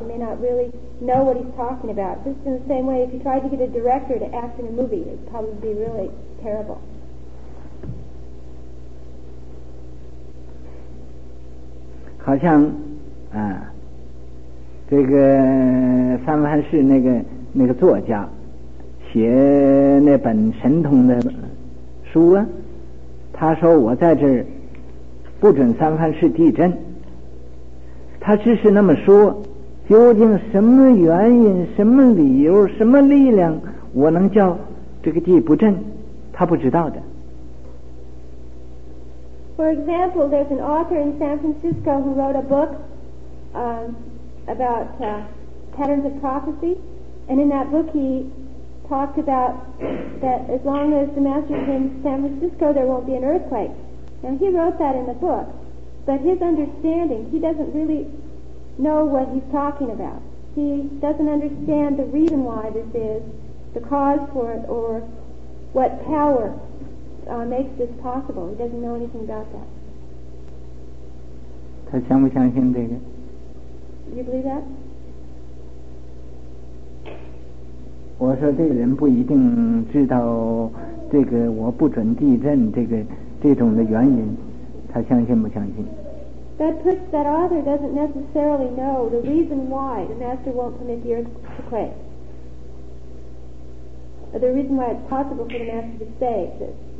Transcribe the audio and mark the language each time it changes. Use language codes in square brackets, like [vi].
[en] He may not really know what he's talking about. Just in the same way, if you tried to get a director to act in a movie, it'd probably be really terrible. [zh] 好像啊，这个三藩市那个作家写那本神童的书啊，他说我在这儿不准三藩市地震，他只是那么说，究竟什么原因、什么理由、什么力量，我能叫这个地不震，他不知道的。 [en] For example, there's an author in San Francisco who wrote a book about patterns of prophecy, and in that book he talked about that as long as the master is in San Francisco, there won't be an earthquake. Now he wrote that in the book, but his understanding, he doesn't really know what he's talking about. He doesn't understand the reason why this is, the cause for it, or what power. Makes this possible. He doesn't know anything about that. [zh] 他相不相信这个? [en] You believe that? [zh] 我说这个人不一定知道这个我不准地震这种的原因，他相信不相信? [en] That author doesn't necessarily know the reason why the master won't permit the earth to quake. Or the reason why it's possible for the master to stay this.